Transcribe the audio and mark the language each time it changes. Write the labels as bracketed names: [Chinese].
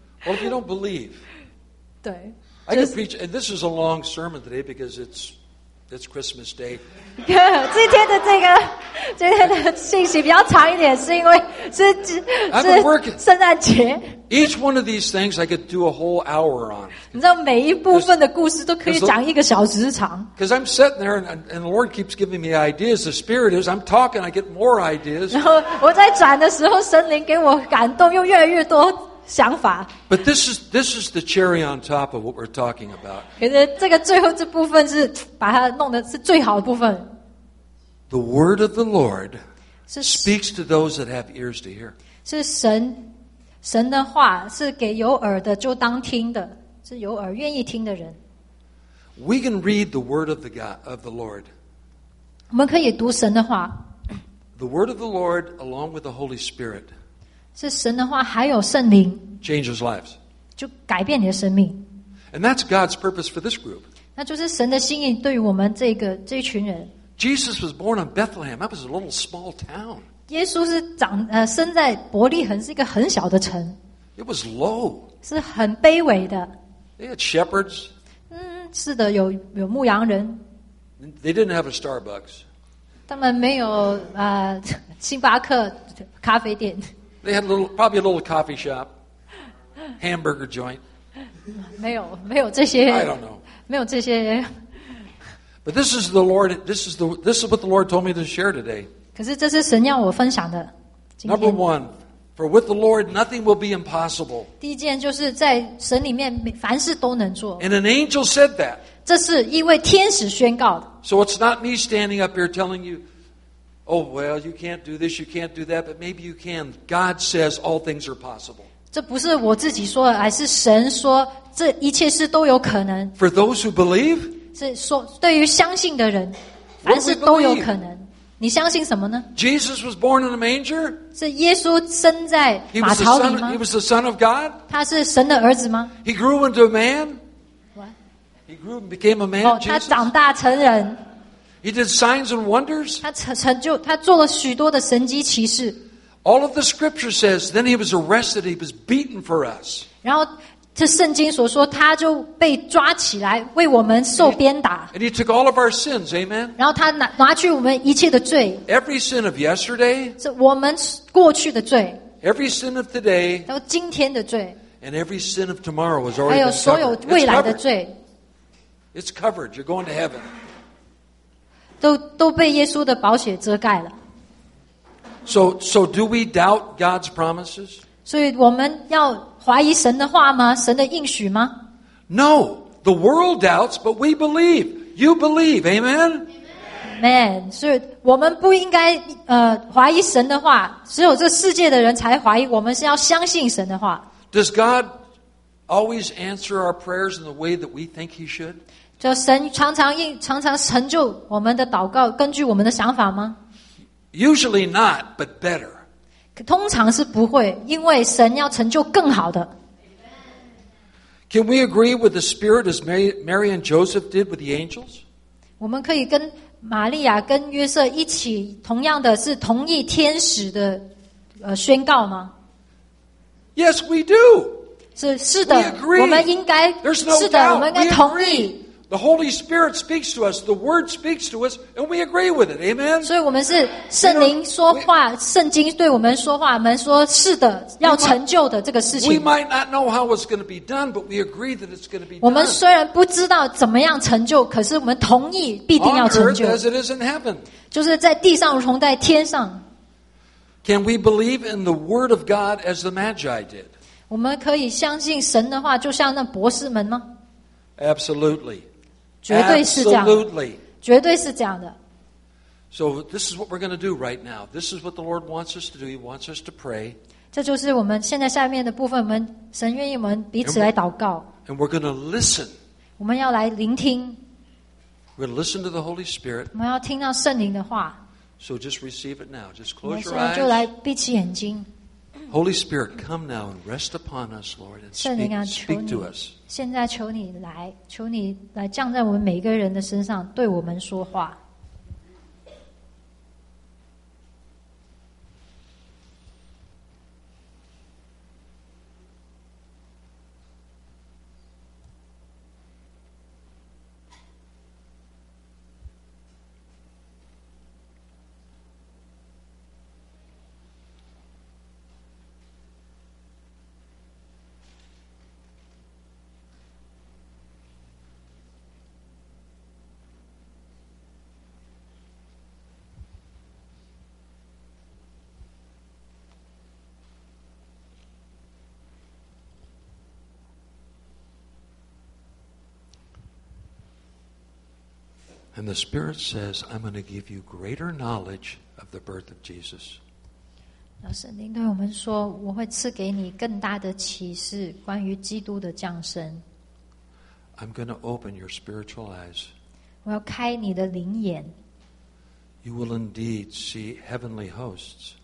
[English] Well, if you don't believe. [Chinese] 对。 [English] I can preach, and this is a long sermon today because it's Christmas Day. [Chinese] 今天的这个今天的信息比较长一点是因为是圣诞节。 [English] Each one of these things I could do a whole hour on. [Chinese] 你知道每一部分的故事都可以讲一个小时长。 [English] Because I'm sitting there and the Lord keeps giving me ideas. The Spirit is, I'm talking, I get more ideas. [Chinese] 然后我在转的时候神灵给我感动又越来越多想法。 [English] But this is the cherry on top of what we're talking about. [Chinese] 可是这个最后这部分是把它弄的是最好的部分。 [English] The word of the Lord speaks to those that have ears to hear. [Chinese] 是神的话是给有耳的就当听的，是有耳愿意听的人。 [English] We can read the word of the God of the Lord. [Chinese] 我们可以读神的话。 [English] The word of the Lord along with the Holy Spirit [Chinese] 是神的话还有圣灵 [English] changes lives [Chinese] 就改变你的生命。 [English] And that's God's purpose for this group. [Chinese] 那就是神的心意对于我们这群人。 [English] Jesus was born in Bethlehem. That was a little small town. [Chinese] 耶稣是长生在伯利恒，是一个很小的城。 [English] It was low. [Chinese] 是很卑微的。 [English] They had shepherds. [Chinese] 是的，有牧羊人。 [English] They didn't have a Starbucks. [Chinese] 他们没有星巴克咖啡店。 [English] They had probably a little coffee shop, hamburger joint. [Chinese] 没有这些。 [English] I don't know. [Chinese] 没有这些。 [English] But this is the Lord. This is what the Lord told me to share today. [Chinese] 可是这是神要我分享的。 [English] Number one, for with the Lord nothing will be impossible. [Chinese] 第一件就是在神里面凡事都能做。 [English] And an angel said that. [Chinese] 这是一位天使宣告的。 [English] So it's not me standing up here telling you, oh well, you can't do this, you can't do that, but maybe you can. God says all things are possible. [Chinese] 这不是我自己说的，而是神说这一切事都有可能。 [English] For those who believe. [Chinese] 是说对于相信的人，凡事都有可能。你相信什么呢 [English] ？Jesus was born in a manger. [Chinese] 是耶稣生在马槽里吗 [English] ？He was the Son of God. [Chinese] 他是神的儿子吗 [English] ？He grew into a man. What? He grew and became a man. [Chinese] 他长大成人。 [English] He did signs and wonders. [Chinese] 他做了许多的神迹奇事。 [English] All of the Scripture says, then he was arrested. He was beaten for us. [Chinese] 然后。这圣经所说，他就被抓起来，为我们受鞭打。 [English] And he took all of our sins, amen. [Chinese] 然后他拿去我们一切的罪。 [English] Every sin of yesterday. [Chinese] 是我们过去的罪。 [English] Every sin of today. [Chinese] 然后今天的罪。 [English] And every sin of tomorrow is already covered. [Chinese] 还有所有未来的罪。 [English] It's covered. You're going to heaven. [Chinese] 都被耶稣的宝血遮盖了。 [English] So do we doubt God's promises? [Chinese] 所以我们要。怀疑神的话吗？神的应许吗 [English] ？No, the world doubts, but we believe. You believe, amen. Amen. [Chinese] 所以我们不应该怀疑神的话，只有这世界的人才怀疑。我们是要相信神的话。 [English] Does God always answer our prayers in the way that we think He should? [Chinese] 就神常常成就我们的祷告，根据我们的想法吗 [English] ？Usually not, but better. [Chinese] 通常是不会，因为神要成就更好的。 [English] Can we agree with the Spirit as Mary and Joseph did with the angels? [Chinese] 我们可以跟玛利亚跟约瑟一起，同样的是同意天使的宣告吗 [English] ？Yes, we do. [Chinese] 是的，我们应该是的，我们应该同意。 [English] The Holy Spirit speaks to us. The Word speaks to us, and we agree with it. Amen. [Chinese] 所以我们是圣灵说话，圣经对我们说话，我们说是的，要成就的这个事情。 [English] We might not know how it's going to be done, but we agree that it's going to be done. [Chinese] 我们虽然不知道怎么样成就，可是我们同意必定要成就。 [English] On earth as it is in heaven. [Chinese] 就是在地上如同在天上。 [English] Can we believe in the Word of God as the Magi did? [Chinese] 我们可以相信神的话，就像那博士们吗 [English] ？Absolutely. [Chinese] 绝对是这样的，绝对是这样的。 [English] So this is what we're going to do right now. This is what the Lord wants us to do. He wants us to pray. [Chinese] 这就是我们现在下面的部分。我们神愿意我们彼此来祷告。 [English] And we're going to listen. [Chinese] 我们要来聆听。 [English] We're going to listen to the Holy Spirit. [Chinese] 我们要听到圣灵的话。 [English] So just receive it now. Just close your eyes. [Chinese] 我们就来闭起眼睛。 [English] Holy Spirit, come now and rest upon us, Lord, and speak to us. [Chinese] 现在求你来，求你来降在我们每个人的身上，对我们说话。 [English] And the Spirit says, I'm going to give you greater knowledge of the birth of Jesus. [Chinese] 圣灵对我们说，我会赐给你更大的启示，关于基督的降生。 [English] I'm going to open your spiritual eyes. [Chinese] 我要开你的灵眼。 [English] You will indeed see heavenly hosts.